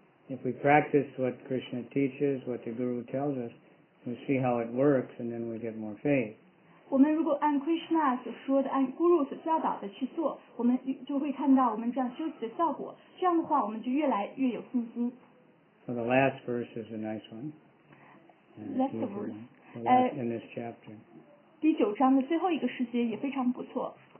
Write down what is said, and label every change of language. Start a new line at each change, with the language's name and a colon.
English: If we practice what Krishna teaches, what the Guru tells us, we'll see how it works, and then we'll get more faith.
Chinese: 我们如果按 Krishna 所说的，按 Guru 所教导的去做，我们就会看到我们这样修习的效果。这样的话，我们就越来越有信心。
English: So the last verse is a nice one. Last verse. Last in this chapter.
Chinese: 第九章的最后一个世界也非常不错。